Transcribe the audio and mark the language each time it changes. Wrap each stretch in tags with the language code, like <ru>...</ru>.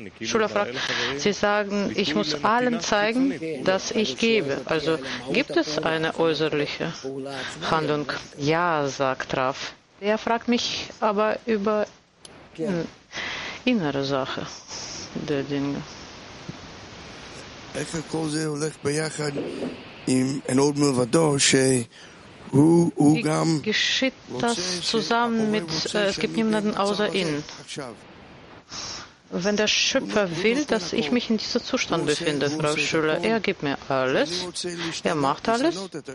<de>Schüler fragt, sie sagen, ich muss allen zeigen, dass ich gebe. Also gibt es eine äußerliche Handlung? Ja, sagt Raf. Er fragt mich aber über innere Sache der Dinge.</de> <he>איך כל זה הולך ביחד עם עוד מלבדו שהוא גם</he> <de>geschieht das zusammen mit es gibt niemanden außer ihn. Wenn der Schöpfer will, dass ich mich in diesem Zustand befinde, Frau Schüler, er gibt mir alles, er macht alles.</de>